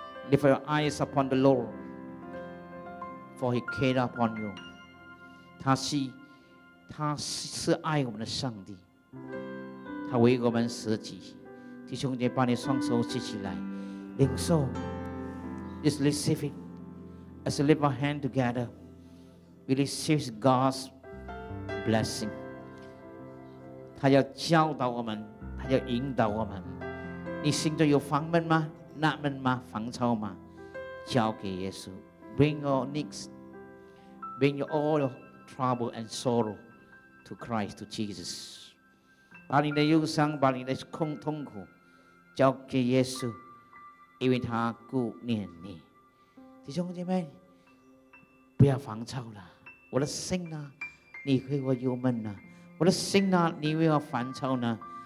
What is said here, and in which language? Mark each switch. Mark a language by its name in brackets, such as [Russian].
[English] Lift your eyes upon the Lord, for He cares upon you. [Chinese] 他是爱我们的上帝，他为我们舍己。弟兄姐妹，把你双手举起来，领受， [English] just receive it. As we lift our hand together, we receive God's blessing. [Chinese] 他要教导我们，他要引导我们。你心中有烦闷吗？纳闷吗？烦躁吗？交给耶稣。 [English] Bring your needs, bring all your trouble and sorrow to Christ, to Jesus. [Chinese] 把你的忧伤，把你的痛苦交给耶稣，因为他顾念你。弟兄姐妹，不要烦躁了。我的心呢，你为我忧闷呢？我的心呢，你为我烦躁呢？